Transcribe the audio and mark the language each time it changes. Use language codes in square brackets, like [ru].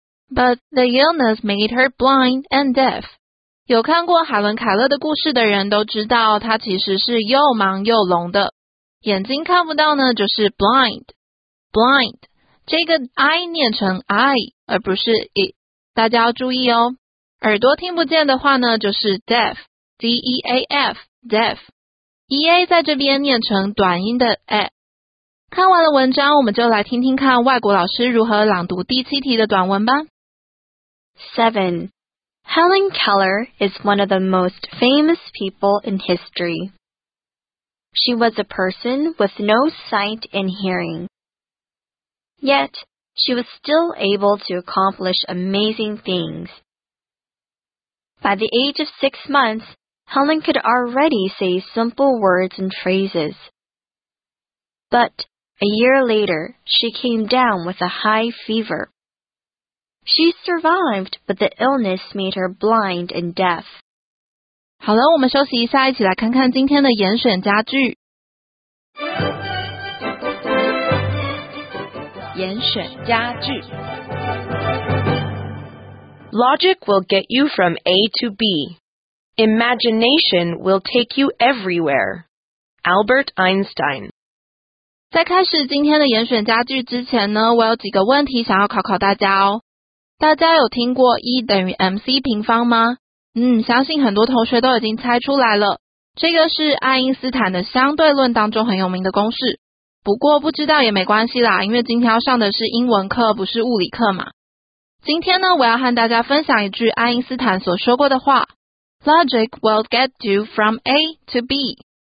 [en] But the illness made her blind and deaf。 [zh] 有看过海伦凯勒的故事的人都知道，她其实是又盲又聋的，眼睛看不到呢就是 blind。 blind 这个 I 念成 I 而不是 I， 大家要注意哦。耳朵听不见的话呢就是 deaf， D-E-A-F deaf， E-A 在这边念成短音的 A。看完了文章，我们就来听听看外国老师如何朗读第七题的短文吧。 [en] 7. Helen Keller is one of the most famous people in history. She was a person with no sight and hearing. Yet, she was still able to accomplish amazing things. By the age of 6 months, Helen could already say simple words and phrases. But a year later, she came down with a high fever. She survived, but the illness made her blind and deaf. [zh] 好了，我们休息一下，一起来看看今天的严选佳句。严选佳句。 [en] Logic will get you from A to B. Imagination will take you everywhere. Albert Einstein. [zh] 在开始今天的严选佳句之前呢，我有几个问题想要考考大家哦。大家有听过 E 等于 MC 平方吗？相信很多同学都已经猜出来了。这个是爱因斯坦的相对论当中很有名的公式。不过不知道也没关系啦，因为今天要上的是英文课，不是物理课嘛。今天呢，我要和大家分享一句爱因斯坦所说过的话。 [en] Logic will get you from A to B.